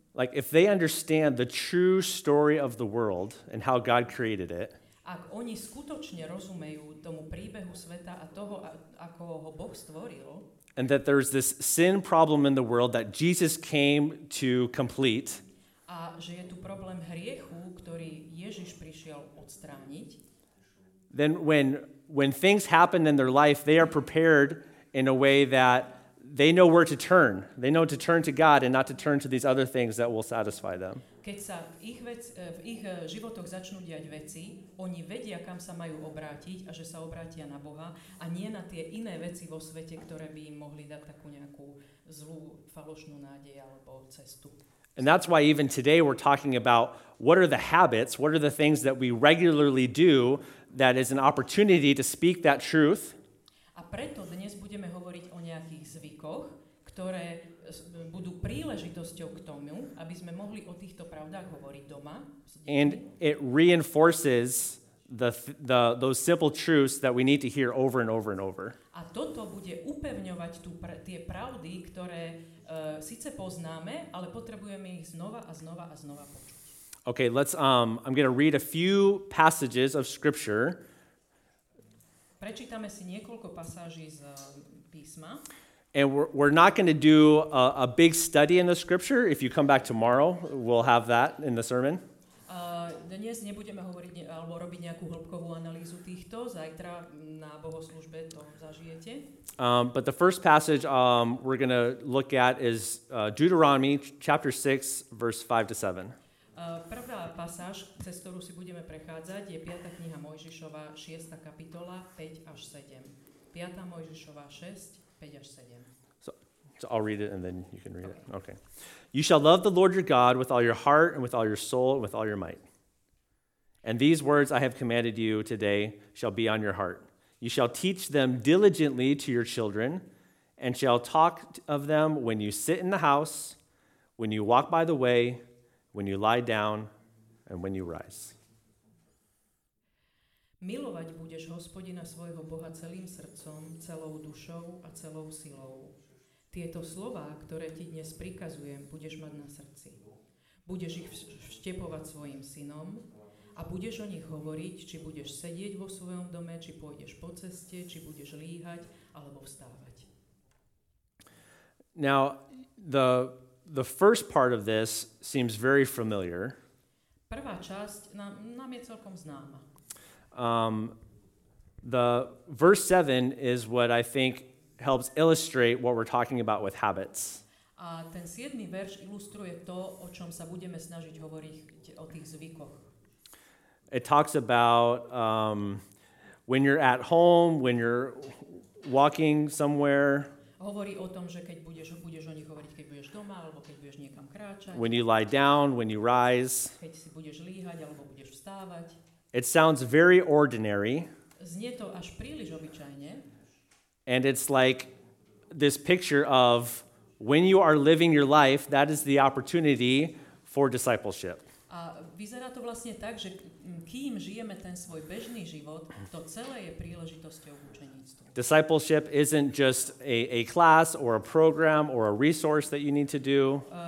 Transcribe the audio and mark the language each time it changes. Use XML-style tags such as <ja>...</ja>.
<en>Like if they understand the true story of the world and how God created it.</en> <sk>Ak oni skutočne rozumejú tomu príbehu sveta a toho, ako ho Boh stvoril.</sk> <en>And that there's this sin problem in the world that Jesus came to complete.</en> <sk>A že je tu problém hriechu, ktorý Ježiš prišiel odstrániť.</sk> <en>Then when things happen in their life, they are prepared in a way that they know where to turn. They know to turn to God and not to turn to these other things that will satisfy them.</en> <sk>Keď sa v ich životoch začnú diať veci, oni vedia, kam sa majú obrátiť a že sa obrátia na Boha a nie na tie iné veci vo svete, ktoré by im mohli dať takú nejakú zlú, falošnú nádej alebo cestu.</sk> <en>And that's why even today we're talking about what are the habits, what are the things that we regularly do that is an opportunity to speak that truth.</en> <sk>A preto dnes budeme hovoriť o nejakých zvykoch, ktoré budú príležitosťou k tomu, aby sme mohli o týchto pravdách hovoriť doma.</sk> <en>And it reinforces those simple truths that we need to hear over and over and over.</en> <sk>A toto bude upevňovať tie pravdy, ktoré síce poznáme, ale potrebujeme ich znova a znova a znova počuť.</sk> <en>Okay, let's I'm going to read a few passages of scripture.</en> <sk>Prečítame si niekoľko pasáží z písma.</sk> <en>And we're not going to do a big study in the scripture. If you come back tomorrow, we'll have that in the sermon.</en> <sk>Dnes nebudeme hovoriť alebo robiť nejakú hĺbkovú analýzu týchto. Zajtra na bohoslužbe to zažijete.</sk> <en>But the first passage we're going to look at is Deuteronomy chapter 6 verse 5 to 7.</en> <sk>Prvá pasáž, cez ktorú si budeme prechádzať, je 5. kniha Mojžišova, 6. kapitola, 5 až 7. 5. Mojžišova 6, 5 až 7.</sk> <en>So I'll read it and then you can read it. Okay. You shall love the Lord your God with all your heart and with all your soul and with all your might. And these words I have commanded you today shall be on your heart. You shall teach them diligently to your children and shall talk of them when you sit in the house, when you walk by the way, when you lie down, and when you rise.</en> <sk>Milovať budeš Hospodina svojho Boha celým srdcom, celou dušou a celou silou. Tieto slová, ktoré ti dnes prikazujem, budeš mať na srdci. Budeš ich vštepovať svojim synom a budeš o nich hovoriť, či budeš sedieť vo svojom dome, či pôjdeš po ceste, či budeš líhať alebo vstávať.</sk> <en>Now, the first part of this seems very familiar.</en> <sk>Prvá časť nám je celkom známa.</sk> <en>The verse 7 is what I think helps illustrate what we're talking about with habits.</en> <sk>A ten 7. verš ilustruje to, o čom sa budeme snažiť hovoriť, o tých zvykoch.</sk> <en>It talks about when you're at home, when you're walking somewhere.</en> <sk>Hovorí o tom, že keď budeš o nich hovoriť, keď budeš doma, alebo keď budeš niekam kráčať.</sk> <en>When you lie down, when you rise.</en> <sk>Keď si budeš líhať, alebo budeš vstávať.</sk> <en>It sounds very ordinary.</en> <sk>Znie to až príliš obyčajne.</sk> <en>And it's like this picture of when you are living your life, that is the opportunity for discipleship.</en> <sk>A vyzerá to vlastne tak, že kým žijeme ten svoj bežný život, to celé je príležitosťou k učeníctvu.</sk> <en>Discipleship isn't just a class or a program or a resource that you need to do.</en>